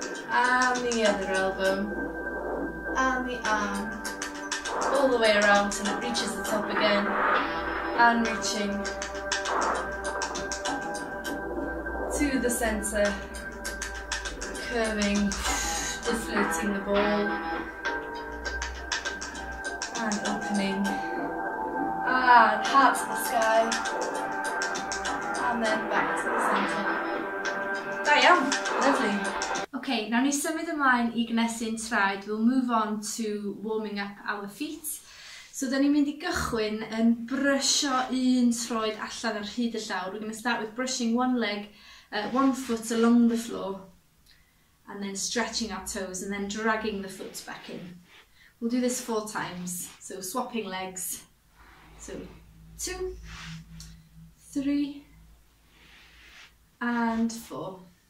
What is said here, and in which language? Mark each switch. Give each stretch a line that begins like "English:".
English: and the other elbow, and the arm, all the way around till it reaches the top again, and reaching to the centre, curving, deflating the ball, and opening. And heart to the sky, and then back to the centre. There you are, lovely. Okay, now
Welsh: ni symud ymlaen I gynesu'n traed.
English: We'll move on to warming up our feet.
Welsh: So dyn ni'n mynd I gychwyn yn brysio un troed allan ar hyd y llawr.
English: We're going to start with brushing one leg, one foot along the floor, and then stretching our toes, and then dragging the foot back in. We'll do this four times, so swapping legs. So, two, three, and four.